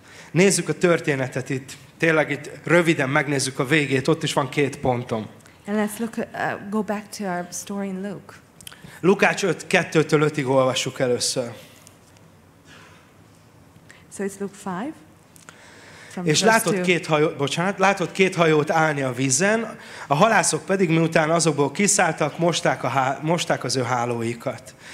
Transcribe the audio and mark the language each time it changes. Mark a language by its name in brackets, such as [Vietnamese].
[Hungarian] Nézzük a történetet itt. Tényleg itt röviden megnézzük a végét. Ott is van két pontom. [English] And let's look go back to our story in Luke. [Hungarian] Lukács 5:2-től 5-ig olvassuk először. [English] So it's Luke 5. [Hungarian] És látott két hajót állni a vízen, a halászok pedig miután azokból kiszálltak, mosták az ő hálóikat.